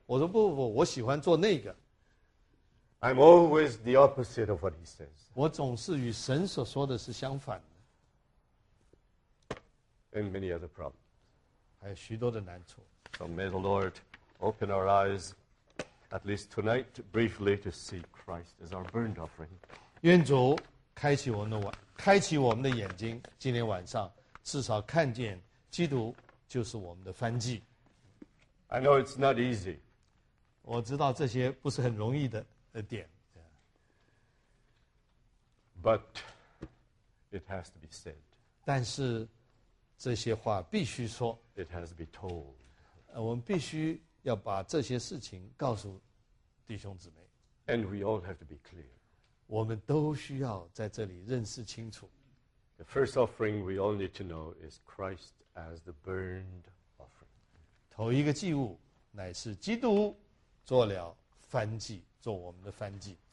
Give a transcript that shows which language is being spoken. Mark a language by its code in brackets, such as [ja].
[zh] 我说不不不，我喜欢做那个。 [en] I'm always the opposite of what He says. [zh] 我总是与神所说的是相反的。 [en] And many other problems. [zh] 还有许多的难处。 [en] So may the Lord open our eyes, at least tonight, briefly, to see Christ as our burnt offering. [zh] 愿主开启我们的眼睛，今天晚上至少看见基督就是我们的燔祭。 [en] I know it's not easy. [zh] 我知道这些不是很容易的点。 [en] But it has to be said. [zh] 但是这些话必须说。 [en] It has to be told. [zh] 我们必须要把这些事情告诉弟兄姊妹。 [en] And we all have to be clear. [zh] 我们都需要在这里认识清楚。 [en] The first offering we all need to know is Christ as the burned offering. [zh] 头一个祭物乃是基督做了燔祭，做我们的燔祭。